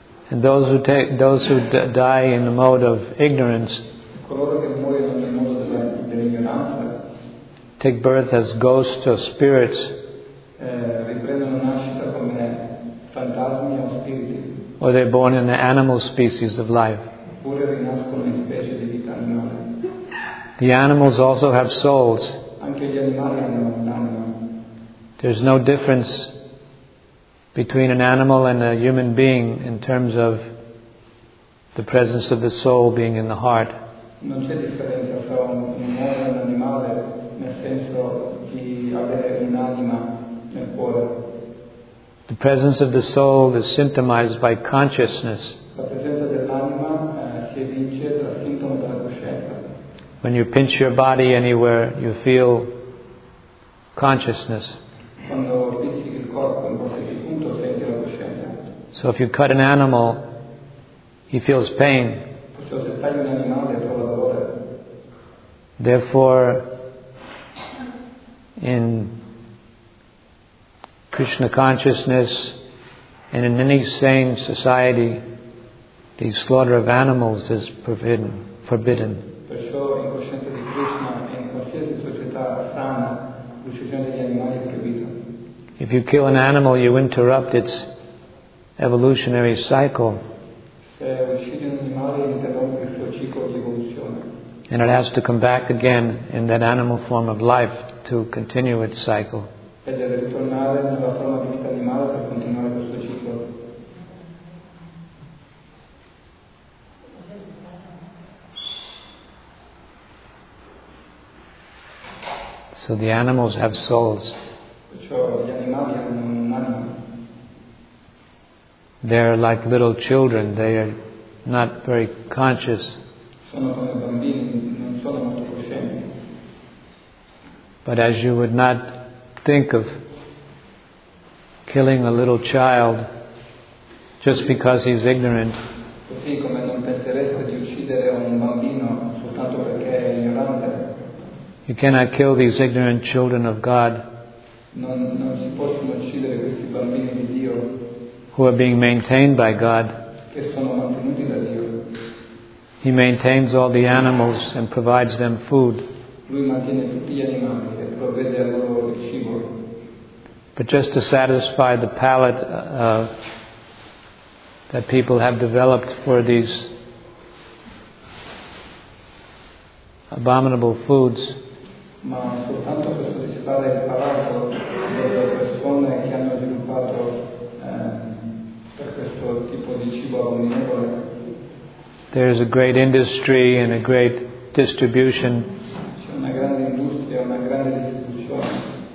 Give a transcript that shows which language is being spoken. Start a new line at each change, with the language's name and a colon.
English: And those who die in the mode of ignorance
Italian: coloro che muoiono nel mondo dell'ignoranza
English: take birth as ghosts or spirits,
Italian: riprendono nascita come fantasmi o spiriti,
English: or they're born in the animal species of life.
Italian: Oppure rinascono in specie di vita animale.
English: The animals also have souls.
Italian: Anche gli animali hanno un'anima.
English: There's no difference between an animal and a human being in terms of the presence of the soul being in the heart.
Italian: Non c'è differenza tra un uomo e un animale nel senso di avere un'anima nel cuore.
English: The presence of the soul is symptomized by consciousness.
Italian: La presenza dell'anima si evince dal sintomo della coscienza.
English: When you pinch your body anywhere, you feel consciousness.
Italian: Quando pizzichi il corpo in qualsiasi punto senti la coscienza.
English: So if you cut an animal, he feels pain.
Italian: Perciò se tagli un animale prova dolore.
English: Therefore, in Krishna consciousness and in any sane society, the slaughter of animals is forbidden.
Italian: Perciò in coscienza di Krishna e in qualsiasi società sana, l'uccisione degli animali è proibita.
English: If you kill an animal, you interrupt its evolutionary cycle.
Italian: Se uccidi un animale, interrompi il suo ciclo di evoluzione.
English: And it has to come back again in that animal form of life to continue its cycle.
Italian: E deve ritornare nella forma di vita animale per continuare questo ciclo.
English: So the animals have souls.
Italian: Perciò gli animali hanno un'anima.
English: They're like little children, they are not very conscious.
Italian: Sono come bambini, non sono molto coscienti.
English: But as you would not think of killing a little child just because he's ignorant.
Italian: Così come non penseresti di uccidere un bambino soltanto perché è ignorante.
English: You cannot kill these ignorant children of God.
Italian: Non si possono uccidere questi bambini di Dio.
English: Who are being maintained by God.
Italian: Che sono mantenuti da Dio.
English: He maintains all the animals and provides them food.
Italian: Lui mantiene tutti gli animali e provvede a loro il cibo.
English: But just to satisfy the palate that people have developed for these abominable foods.
Italian: Ma soltanto per soddisfare il palato delle persone che hanno sviluppato per questo tipo di cibo abominevole.
English: There is a great industry and a great distribution.
Italian: C'è una grande industria, una grande distribuzione.